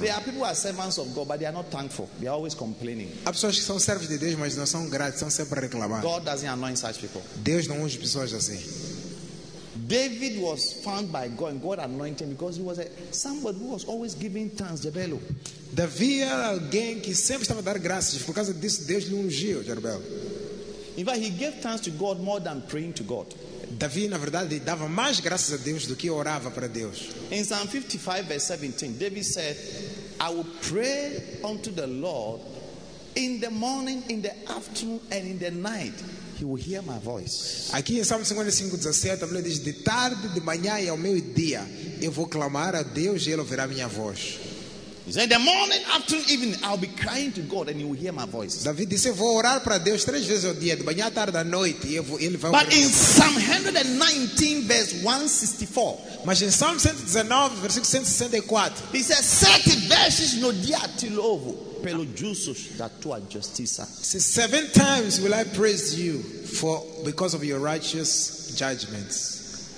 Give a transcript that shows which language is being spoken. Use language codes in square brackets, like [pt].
[en] There are people who are servants of God, but they are not thankful. They are always complaining. [pt] Há pessoas que são servos de Deus, mas não são gratos, são sempre a reclamar. [en] God doesn't anoint such people. [pt] Deus não unge pessoas assim. [en] David was found by God, and God anointed him because he was somebody who was always giving thanks. Jerubelo. [pt] Davi era alguém que sempre estava a dar graças. Por causa disso, Deus lhe ungiu, Jerubelo. [en] In fact, he gave thanks to God more than praying to God. [pt] Davi, na verdade, dava mais graças a Deus do que orava para Deus. [en] Em Psalm 55, verse 17, David said, "I will pray unto the Lord in the morning, in the afternoon, and in the night. He will hear my voice." [pt] Aqui em Salmo 55, 17, a Bíblia diz, "De tarde, de manhã e ao meio-dia, eu vou clamar a Deus e Ele ouvirá minha voz." [en] He said, "The morning, afternoon, evening, I'll be crying to God, and He will hear my voice." [pt] Davi disse, "Eu vou orar para Deus 3 vezes ao dia, de manhã, à tarde, à noite, e Ele vai [en] ouvir." But in Psalm 119, verse 164, [pt] mas em Salmo 119, versículo 164, [en] He says, [pt] "Sete vezes no dia te louvo pelo justo da tua justiça." [en] Says, 7 times will I praise you for because of your righteous judgments.